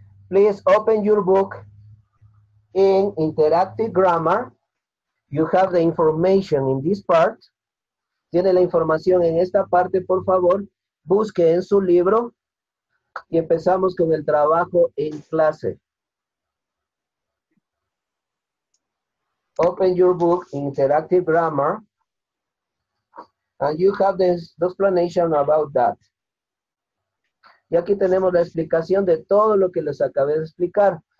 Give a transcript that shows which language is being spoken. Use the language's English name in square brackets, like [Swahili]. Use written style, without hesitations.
[English] Please open your book in interactive grammar. You have the information in this part. [Spanish] Tiene la información en esta parte, por favor. Busque en su libro y empezamos con el trabajo en clase. [English] Open your book, interactive grammar, and you have the explanation about that. [Spanish] Y aquí tenemos la explicación de todo lo que les acabé de explicar.